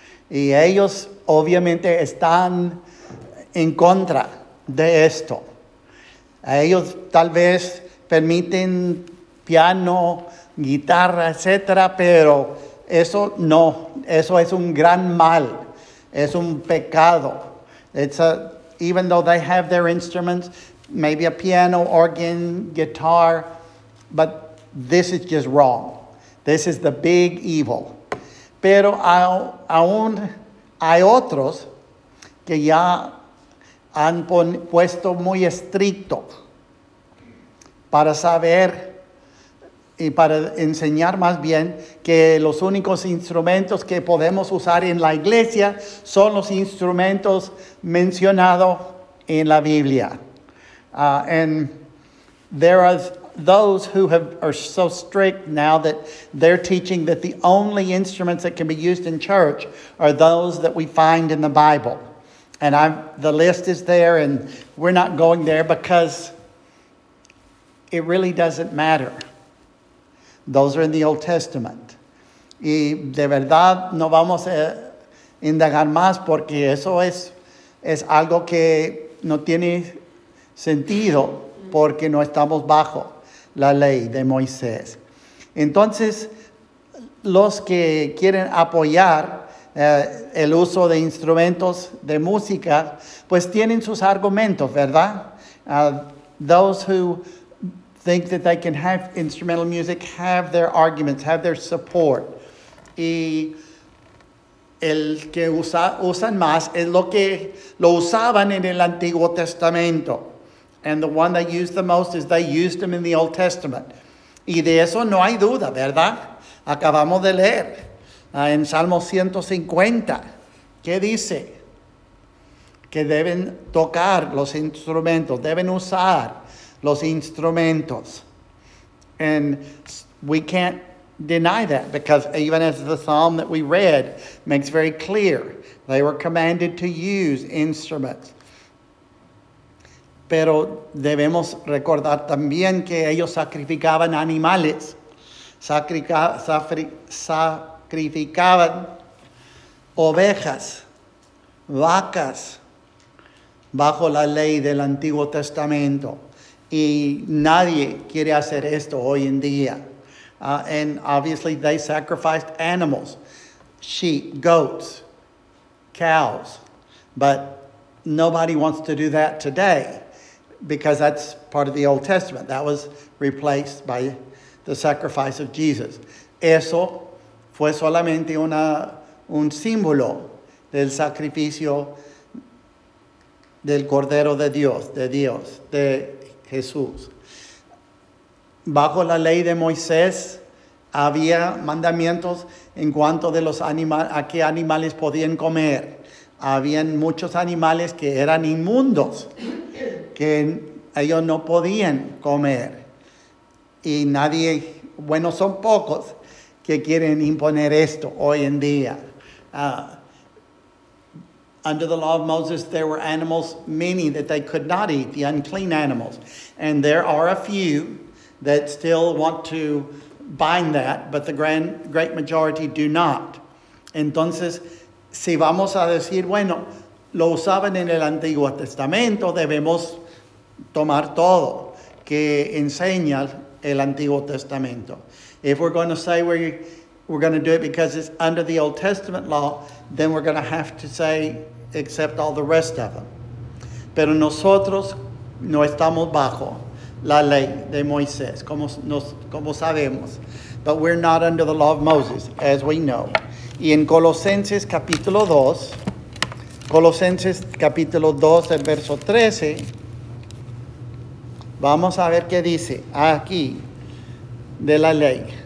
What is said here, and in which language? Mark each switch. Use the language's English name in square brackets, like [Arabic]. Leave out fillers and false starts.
[Spanish] Y ellos obviamente están en contra de esto. Ellos tal vez permiten piano, guitarra, etcétera, pero eso no, eso es un gran mal Es un pecado. [English] It's a, even though they have their instruments, maybe a piano, organ, guitar, but this is just wrong. This is the big evil. [Spanish] Pero aún hay otros que ya han puesto muy estricto para saber y para enseñar más bien que los únicos instrumentos que podemos usar en la iglesia son los instrumentos mencionados en la Biblia. [English] And there are those who have, are so strict now that they're teaching that the only instruments that can be used in church are those that we find in the Bible. And I've, the list is there, and we're not going there because it really doesn't matter. Those are in the Old Testament. [Spanish] Y de verdad no vamos a indagar más porque eso es algo que no tiene sentido porque no estamos bajo la ley de Moisés. Entonces, los que quieren apoyar el uso de instrumentos de música, pues tienen sus argumentos, ¿verdad? [English] Those who think that they can have instrumental music have their arguments, have their support. [Spanish] Y el que usan más es lo que lo usaban en el Antiguo Testamento. [English] And the one they use the most is they used them in the Old Testament. [Spanish] Y de eso no hay duda, ¿verdad? Acabamos de leer en Salmo 150. ¿Qué dice? Que deben tocar los instrumentos, deben usar los instrumentos. [English] And we can't deny that because even as the psalm that we read makes very clear, they were commanded to use instruments. [Spanish] Pero debemos recordar también que ellos sacrificaban animales, sacrificaban ovejas, vacas, bajo la ley del Antiguo Testamento. Y nadie quiere hacer esto hoy en día. [English] And obviously they sacrificed animals, sheep, goats, cows. But nobody wants to do that today, because that's part of the Old Testament. That was replaced by the sacrifice of Jesus. [Spanish] Eso fue solamente un símbolo del sacrificio del Cordero de Dios, de Jesús. Bajo la ley de Moisés había mandamientos en cuanto de los a qué animales podían comer. Habían muchos animales que eran inmundos, que ellos no podían comer. Y nadie, bueno, son pocos que quieren imponer esto hoy en día. [English] Under the law of Moses, there were animals, many that they could not eat, the unclean animals. And there are a few that still want to bind that, but the great majority do not. [Spanish] Entonces, si vamos a decir, bueno, lo usaban en el Antiguo Testamento, debemos tomar todo que enseña el Antiguo Testamento. [English] If we're going to say we're going to do it because it's under the Old Testament law, then we're going to have to say accept all the rest of them. [Spanish] Pero nosotros no estamos bajo la ley de Moisés, como sabemos. [English] But we're not under the law of Moses, as we know. [Spanish] Y en Colosenses capítulo 2, Colosenses capítulo 2, el verso 13, vamos a ver qué dice aquí de la ley.